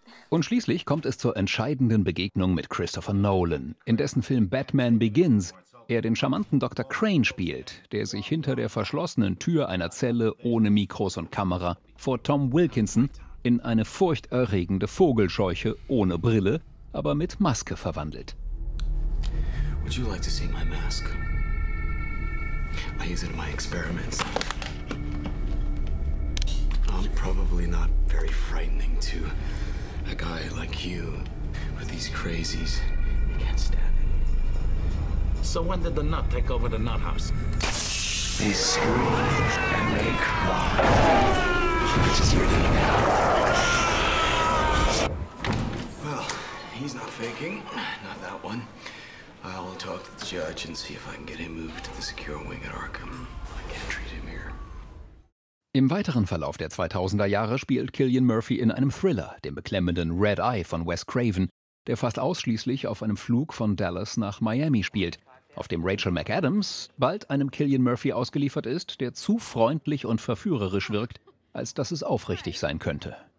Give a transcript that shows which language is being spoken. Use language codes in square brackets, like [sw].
[de] Und schließlich kommt es zur entscheidenden Begegnung mit Christopher Nolan, in dessen Film Batman Begins er den charmanten Dr. Crane spielt, der sich hinter der verschlossenen Tür einer Zelle ohne Mikros und Kamera vor Tom Wilkinson in eine furchterregende Vogelscheuche ohne Brille, aber mit Maske verwandelt. [en] Would you like to see my mask? I use it in my experiments. I'm probably not very frightening to a guy like you, but these crazies, I can't stand it. So when did the nut take over the nut house? They scream and they cry. You can just hear them now. Well, he's not faking. Not that one. I'll talk to the judge and see if I can get him moved to the secure wing at Arkham. I can't treat him here. [de] Im weiteren Verlauf der 2000er Jahre spielt Cillian Murphy in einem Thriller, dem beklemmenden Red Eye von Wes Craven, der fast ausschließlich auf einem Flug von Dallas nach Miami spielt, auf dem Rachel McAdams bald einem Cillian Murphy ausgeliefert ist, der zu freundlich und verführerisch wirkt, als dass es aufrichtig sein könnte.